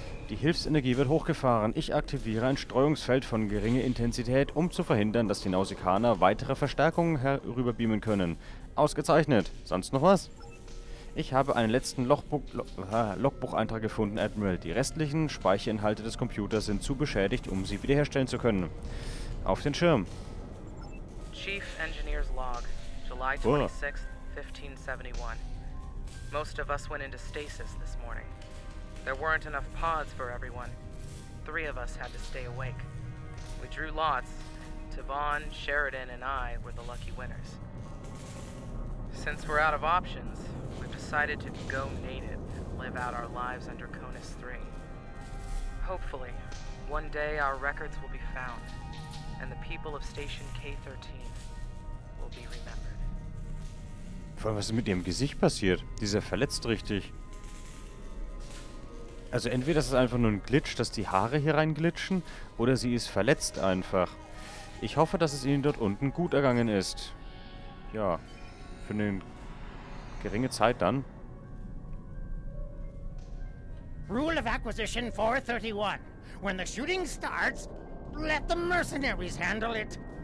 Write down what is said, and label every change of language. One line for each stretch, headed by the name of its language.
German: Die Hilfsenergie wird hochgefahren. Ich aktiviere ein Streuungsfeld von geringer Intensität, um zu verhindern, dass die Nausikaner weitere Verstärkungen herüberbeamen können. Ausgezeichnet. Sonst noch was? Ich habe einen letzten Logbucheintrag gefunden, Admiral. Die restlichen Speicherinhalte des Computers sind zu beschädigt, um sie wiederherstellen zu können. Auf den Schirm.
English: Chief Engineer's Log, July 26, 1571. Most of us went into stasis this morning. There weren't enough pods for everyone. Three of us had to stay awake. We drew lots. Tavon, Sheridan and I were the lucky winners. Since we're out of options, we've decided to go native and live out our lives under CONUS 3. Hopefully, one day our records will be found, and the people of Station K-13 will be remembered.
German: Vor allem, was ist mit ihrem Gesicht passiert? Die ist ja verletzt richtig. Also entweder ist es einfach nur ein Glitch, dass die Haare hier reinglitschen, oder sie ist verletzt einfach. Ich hoffe, dass es ihnen dort unten gut ergangen ist. Ja, für eine geringe Zeit dann.
English: Rule of Acquisition 431. When the shooting starts, let the mercenaries handle it.